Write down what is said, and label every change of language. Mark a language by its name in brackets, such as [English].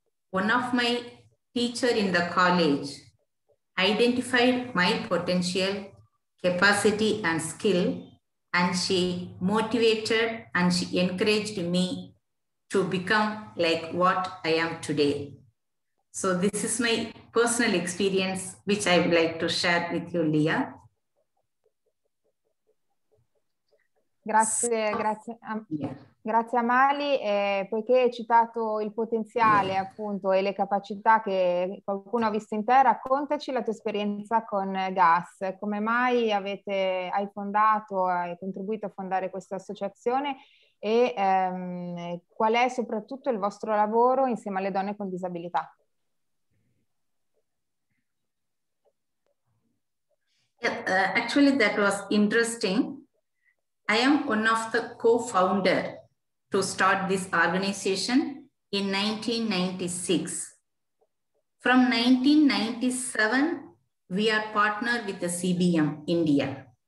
[English] One of my teacher in the college identified my potential, capacity and skill, and she motivated and she encouraged me to become like what I am today. So this is my personal experience, which I would like to share with you, Leah. [Italian] Grazie, grazie, grazie Amali. Poiché hai citato il potenziale, appunto, e le capacità che qualcuno ha visto in te, raccontaci la tua esperienza con GAS. Come mai hai fondato, hai contribuito a fondare questa associazione e qual è soprattutto il vostro lavoro insieme alle donne con disabilità? [English] Actually, that was interesting. I am one of the co-founder to start this organization in 1996. From 1997, we are partnered with the CBM India.